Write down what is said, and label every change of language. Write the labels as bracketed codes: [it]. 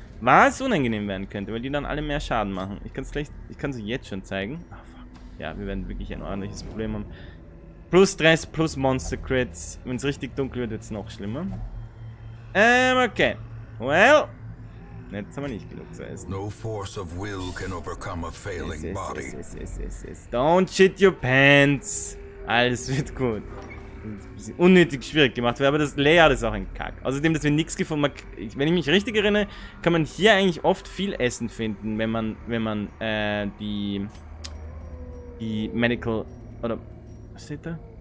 [de] Was unangenehm werden könnte, weil die dann alle mehr Schaden machen. Ich kann es euch jetzt schon zeigen. Ach, fuck. Ja, wir werden wirklich ein ordentliches Problem haben. Plus Stress, plus Monster Crits. Wenn es richtig dunkel wird, wird es noch schlimmer. Okay. Well. Jetzt haben wir nicht genug zu essen. [en] No force of will can overcome a failing body. Don't shit your pants. [de] Alles wird gut. Das ist unnötig schwierig gemacht, aber das Layout ist auch ein Kack. Außerdem, dass wir nichts gefunden haben. Wenn ich mich richtig erinnere, kann man hier eigentlich oft viel Essen finden, wenn man die Medical oder was steht da?